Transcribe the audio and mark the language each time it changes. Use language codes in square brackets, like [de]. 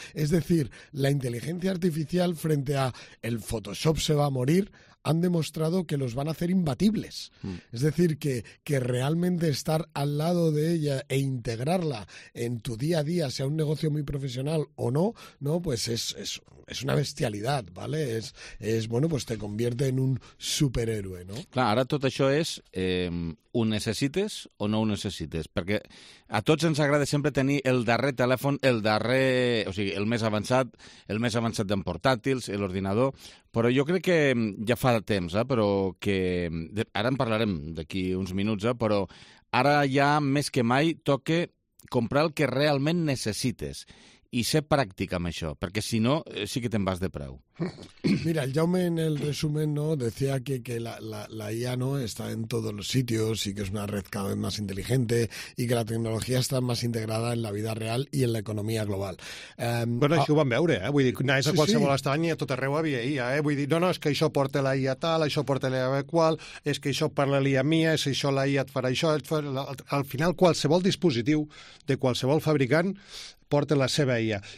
[es] Es decir, la inteligencia artificial frente a el Photoshop se va a morir, han demostrado que los van a hacer imbatibles. Es decir, que realmente estar al lado de ella e integrarla en tu día a día, sea un negocio muy profesional o no, ¿no? Pues es una bestialidad, ¿vale? Es bueno, pues te convierte en un superhéroe, ¿no? [ca] Clar, ara tot això és ho necessites o no ho necessites, perquè a tots ens agrada sempre tenir el darrer telèfon, el més avançat, el més avançat en portàtils, l'ordinador, però jo crec que ja fa temps, però que ara en parlarem d'aquí uns minuts, però ara ja més que mai toca comprar el que realment necessites. i ser pràctic amb això, perquè si no, sí que te'n vas de preu. [es] Mira, el Jaume en el resumen, ¿no?, decía que la IA, ¿no?, está en todos los sitios y que es una red cada vez más inteligente y que la tecnología está más integrada en la vida real y en la economía global. [ca] Bueno, això ho vam veure, eh? Vull dir, anaves a qualsevol estany i a tot arreu havia IA, eh? Vull dir, no, és que això porta la IA tal, això porta la IA qual, és que això parla la IA mia, és això la IA et farà això, et farà... Al final, qualsevol dispositiu de qualsevol fabricant porta la seva IA.